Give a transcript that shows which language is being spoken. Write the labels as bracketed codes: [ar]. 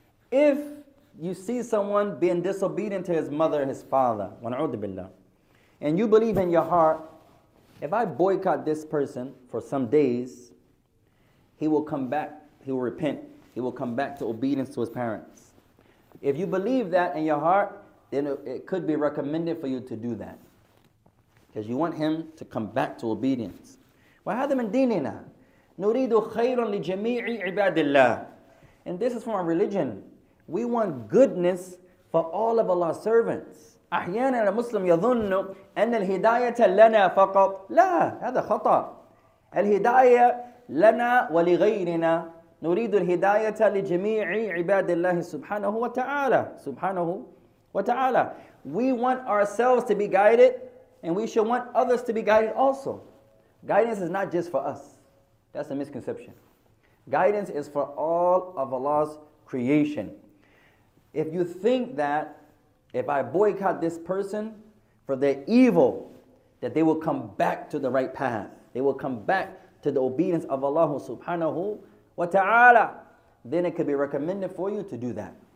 [en] If you see someone being disobedient to his mother, his father, [ar] وَنَعُوذُ بِاللَّهِ, [en] and you believe in your heart, if I boycott this person for some days, he will come back, he will repent, he will come back to obedience to his parents. If you believe that in your heart, then it could be recommended for you to do that. Because you want him to come back to obedience. [ar] وهذا من ديننا. نريد خيرا لجميع عباد الله. [en] And this is from our religion. We want goodness for all of Allah's servants. [ar] أحيانا المسلم يظن أن الهداية لنا فقط. لا، هذا خطأ. الهداية لنا ولغيرنا. نريد الهداية لجميع عباد الله سبحانه وتعالى. سبحانه وتعالى. [en] We want ourselves to be guided, and we should want others to be guided also. Guidance is not just for us. That's a misconception. Guidance is for all of Allah's creation. If you think that if I boycott this person for their evil, that they will come back to the right path, they will come back to the obedience of Allah subhanahu wa ta'ala, then it could be recommended for you to do that.